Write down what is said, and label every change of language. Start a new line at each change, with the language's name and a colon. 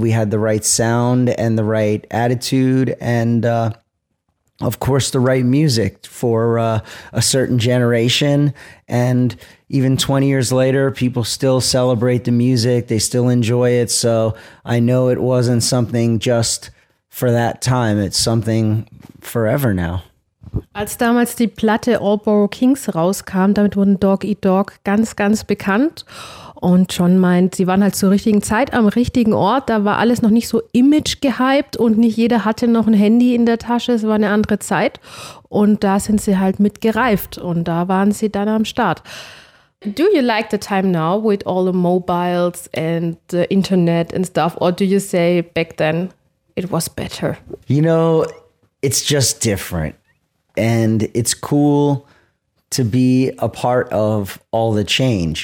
English: We had the right sound and the right attitude and, of course, the right music for a certain generation. And even 20 years later, people still celebrate the music. They still enjoy it. So I know it wasn't something just for that time. It's something forever now.
German: Als damals die Platte All Borough Kings rauskam, damit wurden Dog Eat Dog ganz, ganz bekannt. Und John meint, sie waren halt zur richtigen Zeit am richtigen Ort. Da war alles noch nicht so image gehypt und nicht jeder hatte noch ein Handy in der Tasche. Es war eine andere Zeit. Und da sind sie halt mit gereift und da waren sie dann am Start.
English: Do you like the time now with all the mobiles and the internet and stuff? Or do you say back then it was better? You know, it's just different. And it's cool to be a part of all the change.